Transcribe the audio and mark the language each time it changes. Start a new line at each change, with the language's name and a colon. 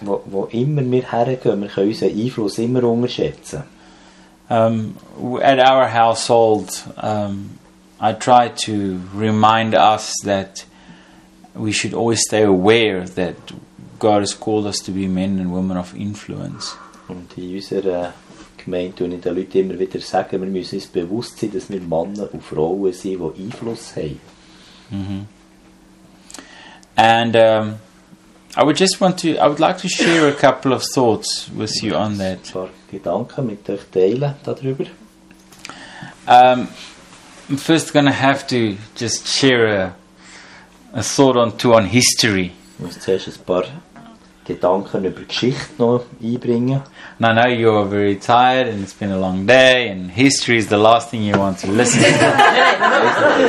German: Wo immer wir hergehen, wir können unseren Einfluss immer unterschätzen.
English: At our household, I try to remind us that we should always stay aware that God has called us to be men and women of influence.
German: Und in unserer Gemeinde und in den Leuten immer wieder sagen, wir müssen uns bewusst sein, dass wir Männer und Frauen sind, die Einfluss haben.
English: And I would like to share a couple of thoughts with you on that.
German: Ein paar Gedanken mit euch teilen darüber.
English: I'm first going to have to just share a thought on two on history.
German: Ich muss zuerst ein paar Gedanken über Geschichte noch einbringen.
English: And I know you are very tired and it's been a long day and history is the last thing you want to listen to.